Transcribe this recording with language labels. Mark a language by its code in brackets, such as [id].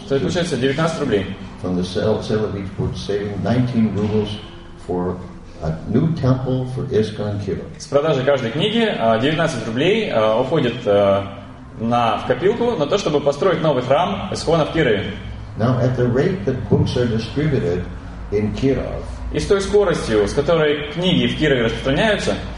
[ru] То есть получается 19 рублей. [en] From the sale of each book, saving 19 rubles for a new temple for ISKCON Kirov. [ru] С продажи каждой книги 19 рублей уходит в копилку на то, чтобы построить новый храм ИСКОНа в Кирове. [en] Now, at the rate that books are distributed in Kirov, [ru] и с той скоростью, с которой книги в Кирове распространяются,